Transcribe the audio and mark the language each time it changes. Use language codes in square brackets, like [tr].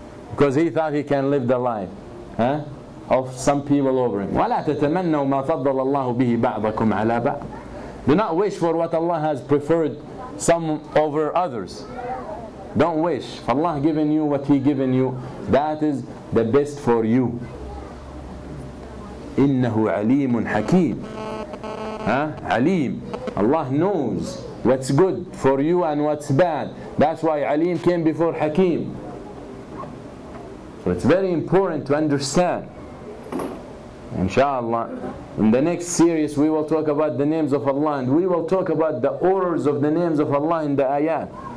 [en] Because he thought he can live the life of some people over him. [ar] وَلَا تَتَمَنَّوا مَا فَضَّلَ اللَّهُ بِهِ بَعْضَكُمْ عَلَى بَعْضٍ. [en] Do not wish for what Allah has preferred some over others. Don't wish. Allah given you what He given you. That is the best for you. [ar] إِنَّهُ عَلِيمٌ حَكِيمٌ. عَلِيمٌ. [en] Allah knows what's good for you and what's bad. That's why Alim came before Hakim. So it's very important to understand. Inshallah, in the next series we will talk about the names of Allah, and we will talk about the orders of the names of Allah in the ayat.